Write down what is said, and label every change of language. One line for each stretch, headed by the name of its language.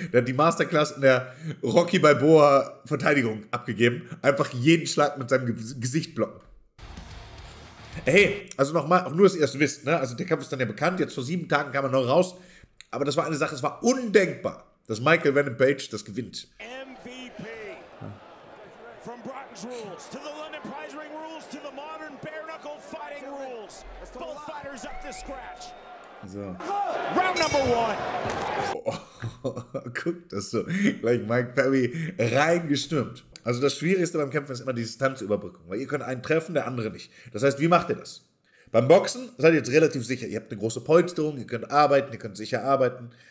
German: Der hat die Masterclass in der Rocky Balboa Verteidigung abgegeben. Einfach jeden Schlag mit seinem Gesicht blocken. Hey, also nochmal, auch nur, dass ihr es wisst. Ne? Also der Kampf ist dann ja bekannt. Jetzt vor 7 Tagen kam er noch raus. Aber das war eine Sache, es war undenkbar, dass Michael Venom Page das gewinnt.
English: MVP. From Broughton's Rules to the London Prize Ring Rules to the modern bare knuckle fighting rules. Both fighters up to scratch. So. Round number one.
German: Oh, guck, das ist so gleich Mike Perry reingestürmt. Also das Schwierigste beim Kämpfen ist immer die Distanzüberbrückung, weil ihr könnt einen treffen, der andere nicht. Das heißt, wie macht ihr das? Beim Boxen seid ihr jetzt relativ sicher. Ihr habt eine große Polsterung, ihr könnt arbeiten, ihr könnt sicher arbeiten.